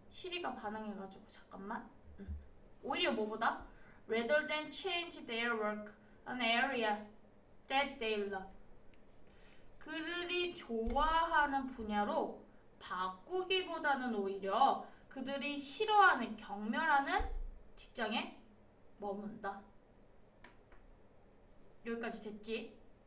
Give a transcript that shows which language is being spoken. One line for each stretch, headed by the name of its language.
Korean: 시리가 반응해가지고, 잠깐만. 오히려 뭐보다?
English: Rather than change their work, an area that they love.
Korean: 그들이 좋아하는 분야로 바꾸기보다는 오히려 그들이 싫어하는, 경멸하는 직장에 머문다. 여기까지 됐지?